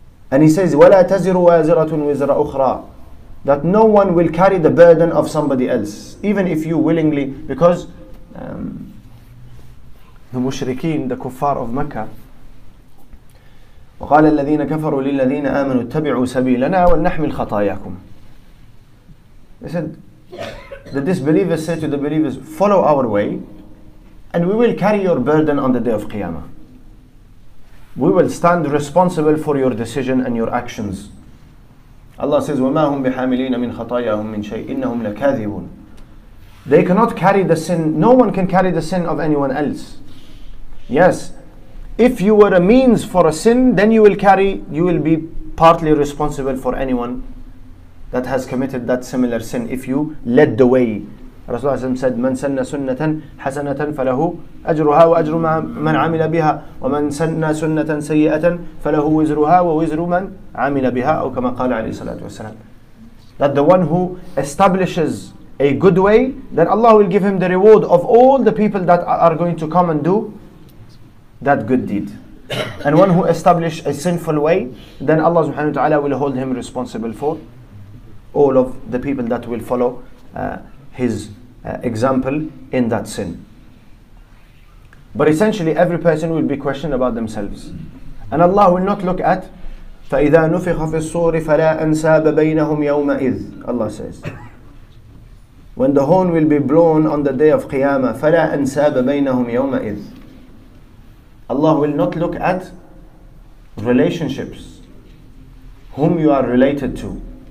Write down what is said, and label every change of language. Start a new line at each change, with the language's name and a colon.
English: And He says,
Arabic: وَلَا تَزِرُ وَازِرَةٌ وِزْرَ أُخْرَى,
English: that no one will carry the burden of somebody else, even if you willingly, because the mushrikeen, the kuffar of Mecca,
Arabic: وَقَالَ الَّذِينَ كَفَرُوا لِلَّذِينَ آمَنُوا اتَّبِعُوا سَبِيلَنَا وَلْنَحْمِلْ خَطَايَاكُمْ.
English: They said, the disbelievers say to the believers, follow our way and we will carry your burden on the day of Qiyamah. We will stand responsible for your decision and your actions. Allah says,
Arabic: وَمَا هُمْ بِحَامِلِينَ مِنْ خَطَايَاهُمْ مِنْ شَيْءٍ إِنَّهُمْ لَكَاذِبُونَ.
English: They cannot carry the sin, no one can carry the sin of anyone else. Yes, if you were a means for a sin, then you will be partly responsible for anyone that has committed that similar sin if you led the way. Rasulullah said,
Arabic: مَنْ سَنَّ سُنَّةً حَسَنَةً فَلَهُ أَجْرُهَا وَأَجْرُ مَنْ عَمِلَ بِهَا وَمَنْ سَنَّ سُنَّةً سَيِّئَةً فَلَهُ وِزْرُهَا وَوِزْرُ مَنْ عَمِلَ بِهَا, أو كما قال عليه الصلاة والسلام.
English: That the one who establishes a good way, then Allah will give him the reward of all the people that are going to come and do that good deed. And one who establishes a sinful way, then Allah subhanahu wa ta'ala will hold him responsible for all of the people that will follow his example in that sin. But essentially every person will be questioned about themselves. And Allah will not look at,
Arabic: فَإِذَا نُفِخَ فِي الصُّورِ فَلَا أَنْسَابَ بَيْنَهُمْ يَوْمَئِذْ.
English: Allah says, when the horn will be blown on the day of Qiyamah,
Arabic: فَلَا أَنْسَابَ بَيْنَهُمْ يَوْمَئِذْ.
English: Allah will not look at relationships, whom you are related to.